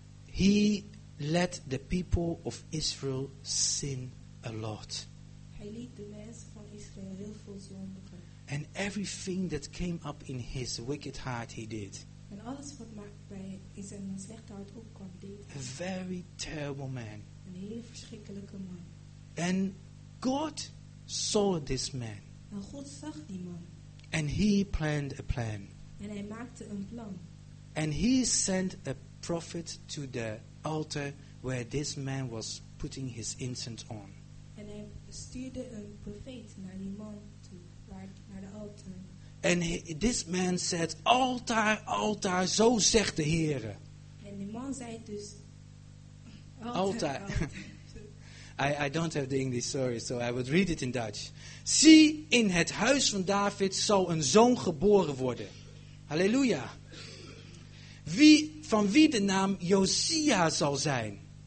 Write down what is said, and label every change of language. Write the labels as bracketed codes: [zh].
[en] He let the people of Israel sin a lot. [nl] Hij liet de mensen van Israël heel veel zondigen. [en] And everything that came up in his wicked heart he did. [nl] En alles wat bij zijn slechte hart opkwam, deed. [en] A very terrible man. [nl] Een hele verschrikkelijke man. [en] And God saw this man. [nl] En God zag die man. [en] And he planned a plan. [nl] En hij maakte een plan. [en] And he sent a prophet to the altar where this man was putting his incense on. [nl] En hij stuurde een profeet naar die man toe, naar de altaar. [en] And this man said, [nl] altaar, altaar, zo zegt de Heer. En die man zei dus, altaar, altaar. [en] I don't have the English, sorry, so I would read it in Dutch. [nl] Zie, in het huis van David zal een zoon geboren worden. Halleluja. Wie, van wie de naam Josia zal zijn.